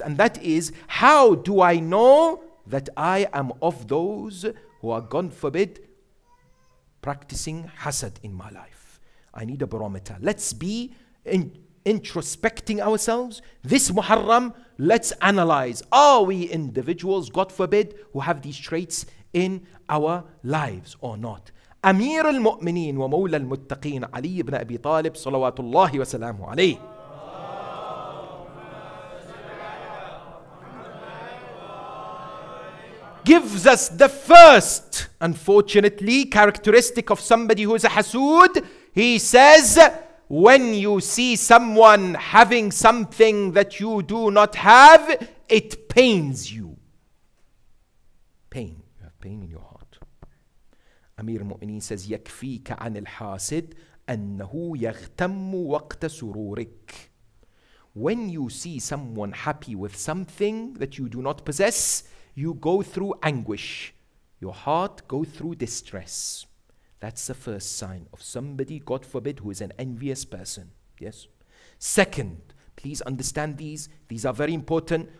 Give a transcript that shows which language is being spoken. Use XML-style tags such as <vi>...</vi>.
<en>And that is, how do I know that I am of those who are, God forbid, practicing hasad in my life? I need a barometer. Let's be introspecting ourselves. This Muharram, let's analyze. Are we individuals, God forbid, who have these traits in our lives or not?</en> <ar>أمير المؤمنين ومولى المتقين علي بن أبي طالب صلوات الله وسلامه عليه.</ar> <en>Gives us the first, unfortunately, characteristic of somebody who is a hasood. He says, when you see someone having something that you do not have, it pains you. Pain. You have pain in your heart.</en> <ar>Amir al-Mu'mineen says, يَكْفِيكَ عَنِ الْحَاسِدِ أَنَّهُ يَغْتَمُّ وَقْتَ سُرُورِكَ.</ar> <en>When you see someone happy with something that you do not possess, you go through anguish. Your heart go through distress. That's the first sign of somebody, God forbid, who is an envious person. Yes? Second, please understand these. These are very important.</en>